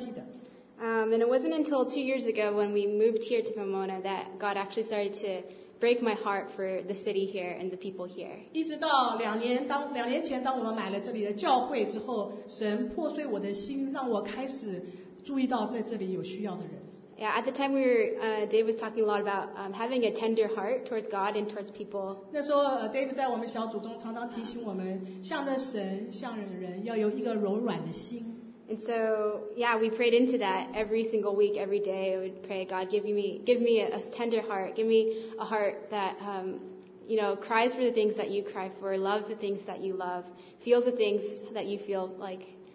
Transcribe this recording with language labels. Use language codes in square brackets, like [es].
[en] And it wasn't until 2 years ago when we moved here to Pomona that God actually started to break my heart for the city here and the people here. [zh] 一直到两年前，当我们买了这里的教会之后，神破碎我的心，让我开始注意到在这里有需要的人。 [en] Yeah, at the time we were, Dave was talking a lot about having a tender heart towards God and towards people. [zh] 那时候，David在我们小组中常常提醒我们，向着神、向人要有一个柔软的心。 [en] And so, yeah, we prayed into that every single week, every day. We would pray, God, give me a tender heart. Give me a heart that, you know, cries for the things that you cry for, loves the things that you love, feels the things that you feel like.